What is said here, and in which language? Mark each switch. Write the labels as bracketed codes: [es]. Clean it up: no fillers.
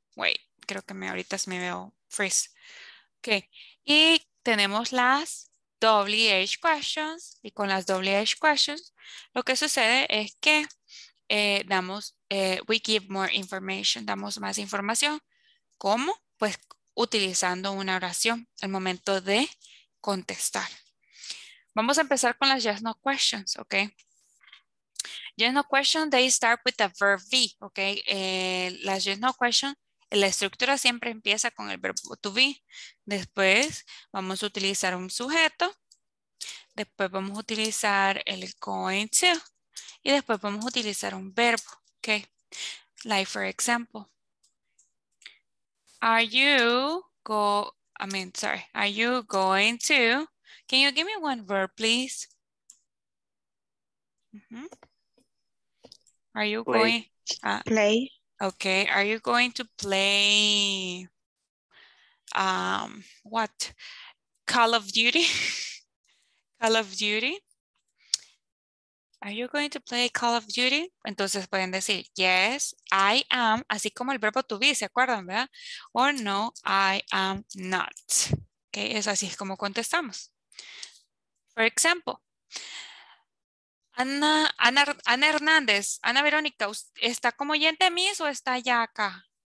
[es] Wait, creo que ahorita se me veo freeze. Okay, y tenemos las WH questions, y con las WH questions lo que sucede es que [en] we give more information, [es] damos más información. ¿Cómo? Pues utilizando una oración al momento de contestar. Vamos a empezar con las yes no questions, okay? [en] Yes no question, they start with the verb be, okay? [es] Las yes no question, la estructura siempre empieza con el verbo to be. Después vamos a utilizar un sujeto. Después vamos a utilizar el going to. Y después vamos a utilizar un verbo, okay? [en] Like for example, are you going to, can you give me one verb please? Are you play. Okay, are you going to play what? Call of Duty? Call of Duty? Are you going to play Call of Duty? [es] Entonces pueden decir, [en] yes, I am, [es] así como el verbo to be, ¿se acuerdan, verdad? [en] Or no, I am not. Okay, [es] es así como contestamos. For example, Ana Hernández, Ana Verónica, ¿está como oyente a mí o está ya acá?